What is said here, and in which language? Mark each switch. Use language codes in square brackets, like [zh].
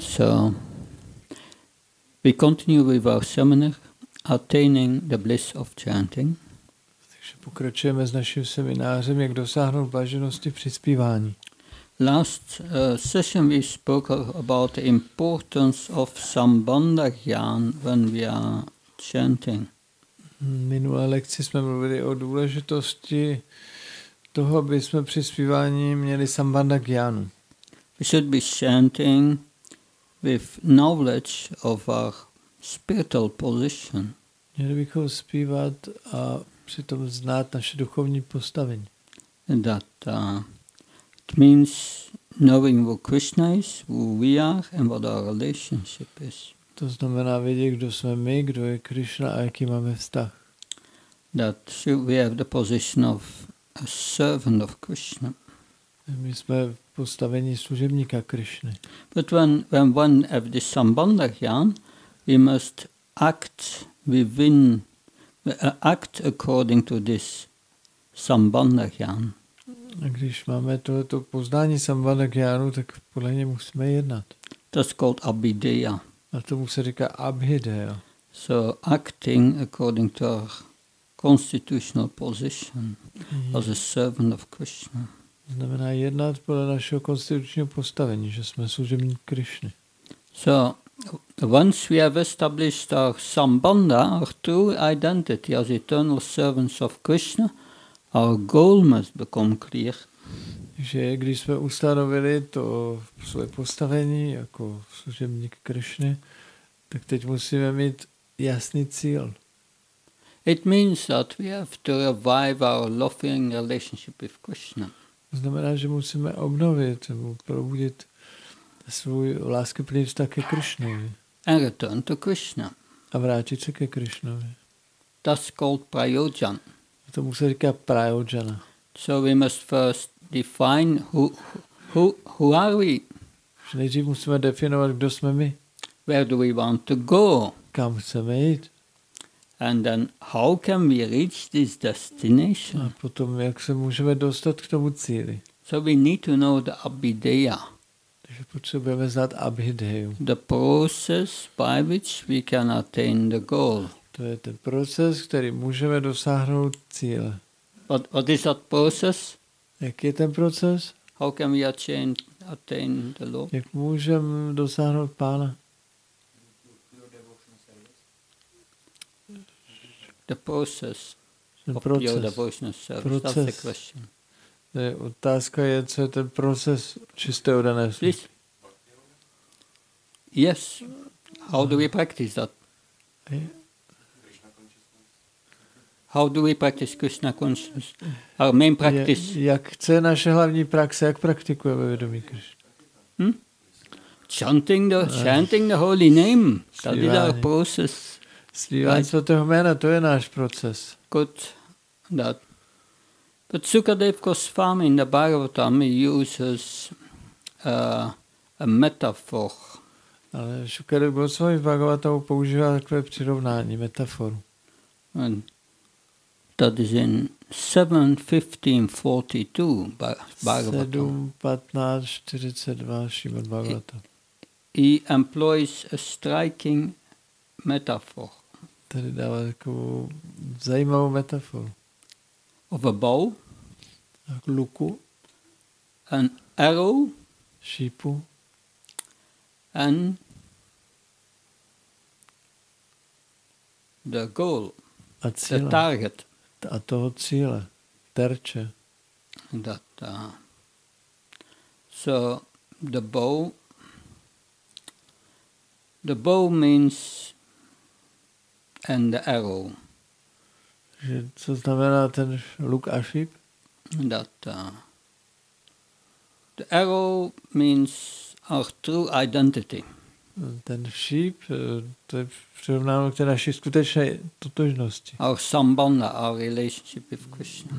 [en] So, we continue with our seminar, attaining the bliss of chanting. [cs] Takže pokračujeme s naším seminářem, jak dosáhnout blaženosti při zpívání. [en] Last session we spoke about the importance of sambandha jnana when we are chanting. [cs] Minulé lekci jsme mluvili o důležitosti toho, aby jsme při zpívání měli sambandha jnana. [en] We should be chanting with knowledge of our spiritual position. [cs] Měli bychom zpívat a přitom znát naše duchovní postavení. [en] That it means knowing who Krishna is, who we are, and what our relationship is. [cs] To znamená vědět, kdo jsme my, kdo je Krishna a jaký máme vztah. [en] That we have the position of a servant of Krishna. [cs] My jsme v postavení služebníka Krishny. [en] But when one have this sambandha jnana, we must act within, act according to this sambandha jnana. [cs] A když máme tohleto poznání sambandha jnana, tak podle něj musíme jednat. [en] That's called abhideya. [cs] A tomu se říká abhideya. [en] So acting according to our constitutional position as a servant of Krishna. [cs] Znamená jednat podle našeho konstitučního postavení, že jsme služebník Krišny. [en] So, once we have established our sambandha, our true identity as eternal servants of Krishna, our goal must become clear. [cs] Že když jsme ustanovili to svoje postavení jako služebník Krišny, tak teď musíme mít jasný cíl. [en] It means that we have to revive our loving relationship with Krishna. [cs] Znamená, že musíme obnovit, probudit svůj láskyplný vztah ke Krišnovi. [en] And return to Krishna. [cs] A vrátit se ke Krišnovi. [en] That's called prayojan. [cs] Tomu se říká prayojana. [en] So we must first define who are we. [cs] Že nejdřív musíme definovat, kdo jsme my. [en] Where do we want to go? [cs] Kam chceme jít? [en] And then how can we reach this destination? [cs] A potom jak se můžeme dostat k tomu cíli? [en] So we need to know the abhideya. [cs] Takže potřebujeme znát abhideju. [en] The process by which we can attain the goal. [cs] To je ten proces, který můžeme dosáhnout cíle. [en] But what is that process? [cs] Jaký je ten proces? [en] How can we attain the Lord? [cs] Jak můžeme dosáhnout Pána? [en] The process of pure devotional service. Proces. That's the question. [cs] Otázka je, co je ten proces čistého dané služby. [en] Yes. How do we practice that? How do we practice Krishna consciousness? Our main practice. [cs] Jak chce naše hlavní praxe, jak praktikujeme vědomí Krishna? [en] Chanting the holy name. That is our process. [cs] Slívání svatého jména, to je náš proces. [en] Good. That. But Sukadev Goswami in the Bhagavatam uses a metaphor. [cs] Ale Sukadev Goswami v Bhagavatamu používá takové přirovnání, metaforu. [en] And that is in 7.15.42 Bhagavatam. [cs] 7.15.42 Shrimad Bhagavatam. [en] He employs a striking metaphor. [cs] Tady dává takovou zajímavou metaforu. [en] Of a bow. [cs] Tak luku. [en] An arrow. [cs] Šípu. [en] And the goal. [cs] A cíle. [en] The target. [cs] A toho cíle. Terče. [en] That, so the bow. The bow means and the arrow. [cs] Že co znamená ten luk a šíp? [en] That the arrow means our true identity. [cs] Ten šíp, to je přirovnáno k té naší skutečné totožnosti. [en] Our sambandha, our relationship with Krishna.